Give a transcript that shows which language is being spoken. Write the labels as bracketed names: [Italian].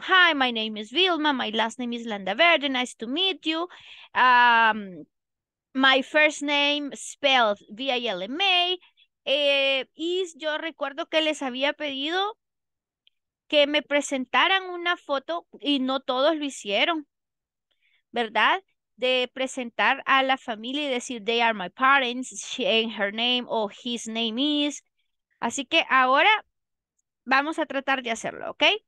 [English] Hi, my name is Vilma. My last name is Landaverde. Nice to meet you. My first name spelled V-I-L-M-A. [Spanish] Yo recuerdo que les había pedido que me presentaran una foto y no todos lo hicieron, ¿verdad? De presentar a la familia y decir [English] they are my parents, she and her name or his name is. [Spanish] Así que ahora vamos a tratar de hacerlo, ¿ok?